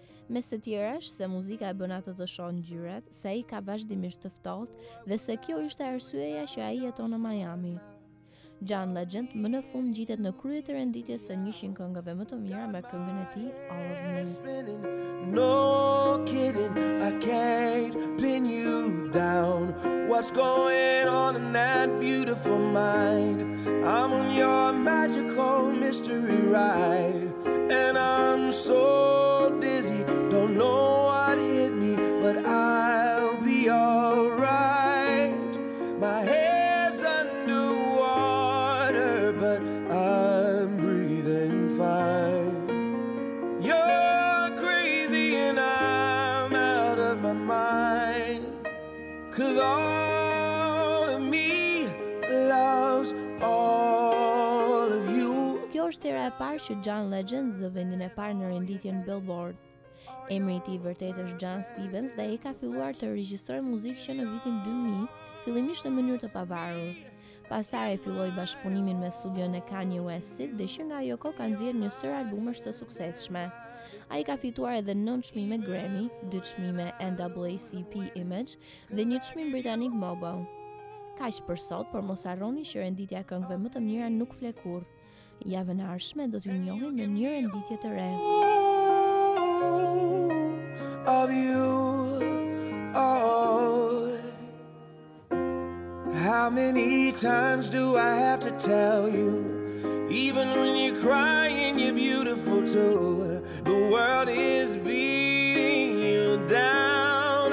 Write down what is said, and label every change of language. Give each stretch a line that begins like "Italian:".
Albanian: Mes të tjera është se muzika e bën atë të shohë ngjyrat, se ai ka vazhdimisht të ftohtë dhe se kjo ishte arsyeja që ai jeton në Miami. John Legend më në fund gjitet në kryet e renditjes së 100 këngëve më të mira me këngën e tij All of Me.
English: No kidding, I can't pin you down. What's going on in that beautiful mind? I'm on your magical mystery ride. And I'm so dizzy, don't know what hit me, but I'll be alright. My head's underwater, but I'm breathing fine. You're crazy and I'm out of my mind. Cause all of me loves all of you.
Albanian: Kjo është era e parë që John Legend zë vendin e parë në renditjen Billboard. Emri i tij vërtet është John Stevens dhe ai ka filluar të regjistrojë muzikë që në vitin 2000, fillimisht në mënyrë të pavarur. Pastaj filloi bashkëpunimin me studion e Kanye Westit dhe që nga ajo kohë ka nxjerrë një sër albumesh të suksesshme. Ai ka fituar edhe 9 çmime Grammy, 2 çmime NAACP Image dhe një çmim britanik Mobo. Kaq për sot, por mos harroni që renditja e këngëve më të mira nuk flet kurrë. Javën e ardhshme do t'ju njohim me një renditje të re.
English: Of you, oh, how many times do I have to tell you? Even when you're crying, you're beautiful too. The world is beating you down.